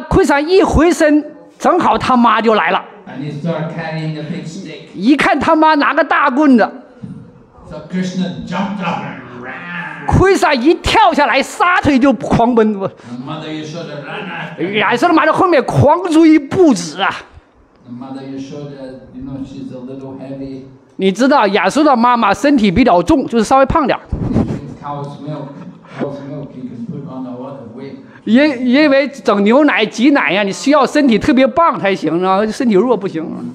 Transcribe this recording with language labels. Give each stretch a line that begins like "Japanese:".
Chinese: 奎山一回身，正好他妈就来了。
English: And he started carrying a big stick.
Chinese: 一看他妈拿个大棍子。
English: So Krishna jumped up and ran.
Chinese: 奎山一跳下来，撒腿就狂奔。
English: Mother Yashoda ran after.
Chinese: 亚瑟的妈在后面狂追不止啊。
English: Mother Yashoda, you know she's a little heavy.
Chinese: 你知道亚瑟的妈妈身体比较重，就是稍微胖点。
English: Cow's milk, cow's milk, you can put on a lot of weight.
Chinese: 因为整牛奶挤奶呀，你需要身体特别棒才行啊，身体弱不行。